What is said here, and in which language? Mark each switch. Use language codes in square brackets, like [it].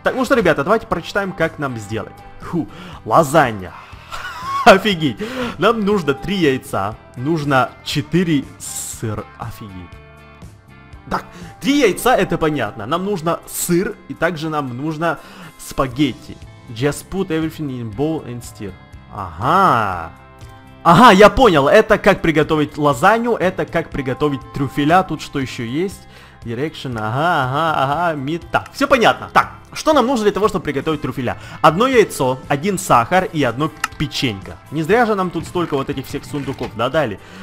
[ru] Так, ну что, ребята, давайте прочитаем, как нам сделать. Фу, лазанья, офигеть, нам нужно 3 яйца, нужно 4 сыр, офигеть. Так, 3 яйца, это понятно, нам нужно сыр, и также нам нужно спагетти. [en] Just put everything in bowl and stir. [ru] Ага. Ага, я понял, это как приготовить лазанью, это как приготовить трюфеля, тут что еще есть? Direction, ага, мета. Так, все понятно. Так, что нам нужно для того, чтобы приготовить трюфеля? Одно яйцо, один сахар и одно печенька. Не зря же нам тут столько вот этих всех сундуков, да, дали?